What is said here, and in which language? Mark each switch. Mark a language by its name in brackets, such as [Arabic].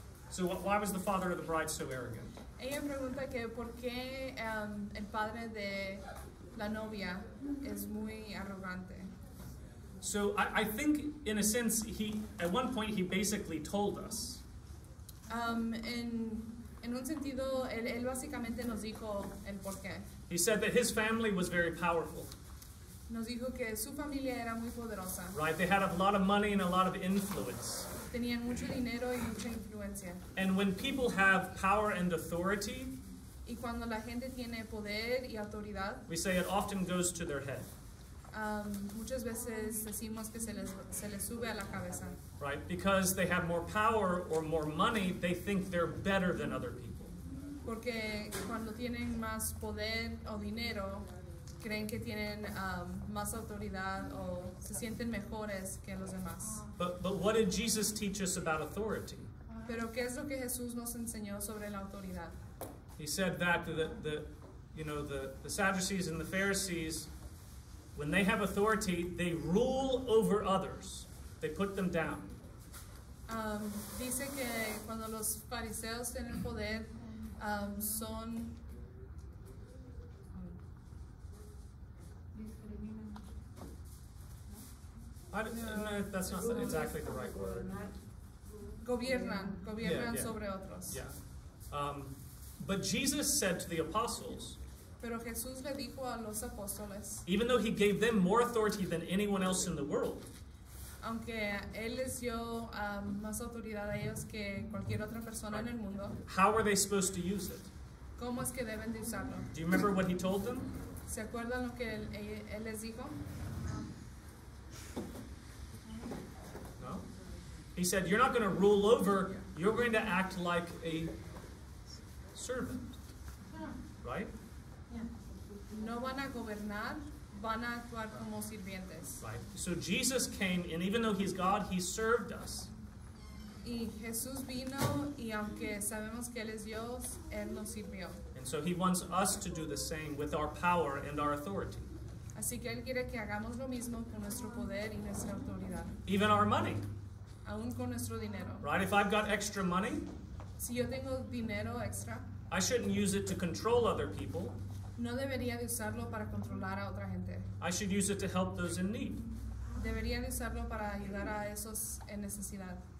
[English] So why was the father of the bride so arrogant? [Spanish] Ella pregunta que por qué el padre de la novia es muy arrogante. [English] So I think, in a sense, he at one point he basically told us. [Spanish] En un sentido, él básicamente nos dijo el por qué. [English] He said that his family was very powerful. [Spanish] Nos dijo que su familia era muy poderosa. [English] Right, they had a lot of money and a lot of influence. [Spanish] Tenían mucho dinero y mucha influencia. [English] And when people have power and authority, [Spanish] y cuando la gente tiene poder y autoridad, [English] we say it often goes to their head. [Spanish] Muchas veces decimos que se les sube a la cabeza. [English] Right, because they have more power or more money, they think they're better than other people. [Spanish] Porque cuando tienen más poder o dinero, creen que tienen más autoridad o se sienten mejores que los demás. [English] But what did Jesus teach us about authority? [Spanish] Pero ¿qué es lo que Jesús nos enseñó sobre la autoridad? [English] He said that the Sadducees and the Pharisees, when they have authority, they rule over others. They put them down. [Spanish] Dice que cuando los fariseos tienen poder, son [English] no, that's not exactly the right word. [Spanish] Gobiernan [English] yeah. [Spanish] sobre otros. [English] Yeah. But Jesus said to the apostles, [Spanish] pero Jesús le dijo a los apóstoles, [English] even though he gave them more authority than anyone else in the world, [Spanish] aunque él les dio más autoridad a ellos que cualquier otra persona en el mundo. [English] How are they supposed to use it? [Spanish] ¿Cómo es que deben de usarlo? [English] Do you remember what he told them? [Spanish] ¿Se acuerdan lo que él les dijo? [English] No. He said, you're not going to rule over, you're going to act like a servant. Yeah. Right? Yeah. [Spanish] No van a gobernar. Van a actuar como sirvientes. [English] Right. So Jesus came, and even though he's God, he served us. [Spanish] Y Jesús vino, y aunque sabemos que él es Dios, él nos sirvió. [English] And so he wants us to do the same with our power and our authority. [Spanish] Así que él quiere que hagamos lo mismo con nuestro poder y nuestra autoridad. [English] Even our money. [Spanish] Aún con nuestro dinero. [English] Right, if I've got extra money, [Spanish] si yo tengo dinero extra, [English] I shouldn't use it to control other people. [Spanish] No debería de usarlo para controlar a otra gente. [English] I should use it to help those in need. [Spanish] Debería de usarlo para ayudar a esos en necesidad.